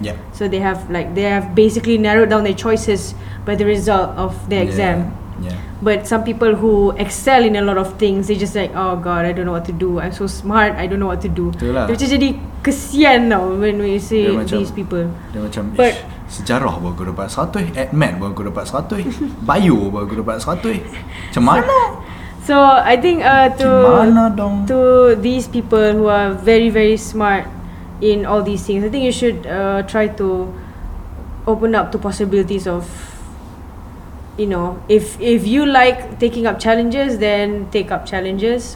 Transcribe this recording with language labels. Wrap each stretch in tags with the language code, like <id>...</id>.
<en>Yeah. So they have basically narrowed down their choices by the result of their exam. But some people who excel in a lot of things, they just like, oh god, I don't know what to do. I'm so smart, I don't know what to do.</en> <ms>Itulah. Dia jadi kesian tau</ms> <en>when we see these people.</en> <ms>Dia macam, but sejarah pun aku dapat 100, admin pun aku dapat 100, bio pun aku dapat 100. Macam mana?</ms> <en>So I think to these people who are very very smart in all these things, I think you should try to open up to possibilities of, you know, if you like taking up challenges, then take up challenges.</en>